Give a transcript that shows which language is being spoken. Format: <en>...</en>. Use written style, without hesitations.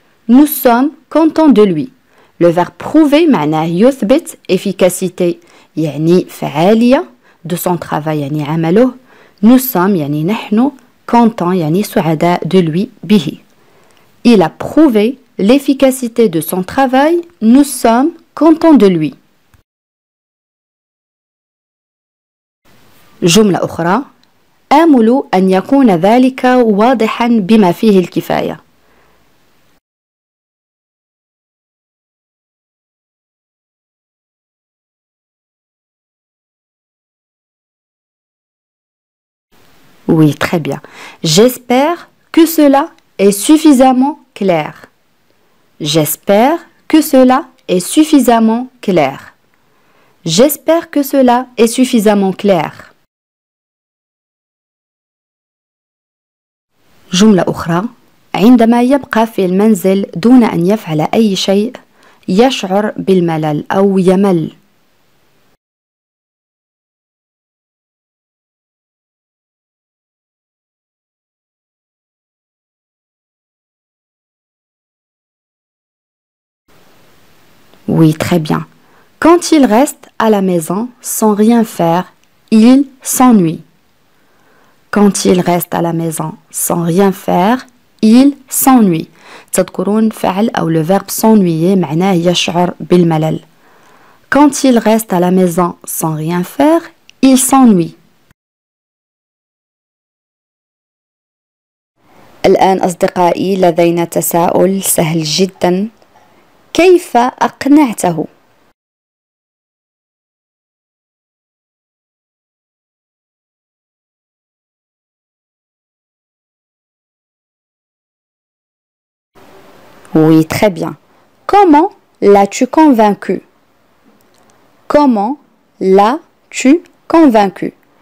<fr>Nous sommes contents de lui. Le verbe prouver</fr> <ar>معناه يثبت</ar> <fr>efficacité</fr> <ar>يعني فعالية</ar> <fr>de son travail</fr> <ar>يعني عمله.</ar> <fr>Nous sommes</fr> <ar>يعني نحن</ar> <fr>contents</fr> <ar>يعني سعداء</ar> <fr>de lui</fr> <ar>به.</ar> <fr>Il a prouvé l'efficacité de son travail. Nous sommes contents de lui.</fr> <ar>جملة أخرى. آمل أن يكون ذلك واضحا بما فيه الكفاية.</ar> <fr>Oui, très bien. J'espère que cela est suffisamment clair. J'espère que cela est suffisamment clair. J'espère que cela est suffisamment clair.</fr> <ar>جملة أخرى. عندما يبقى في المنزل دون أن يفعل أي شيء يشعر بالملل أو يمل.</ar> <fr>Oui, très bien. Quand il reste à la maison sans rien faire, il s'ennuie. Quand il reste à la maison sans rien faire, il s'ennuie.</fr> <ar>تذكرون فعل أو</ar> <fr>le verbe s'ennuyer</fr> <ar>معناه يشعر بالملل.</ar> <fr>Quand il reste à la maison sans rien faire, il s'ennuie.</fr> <ar>الآن أصدقائي لدينا تساؤل سهل جدا. كيف أقنعته؟</ar> <fr>Oui, très bien. Comment l'as-tu convaincu? Comment l'as-tu convaincu?</fr>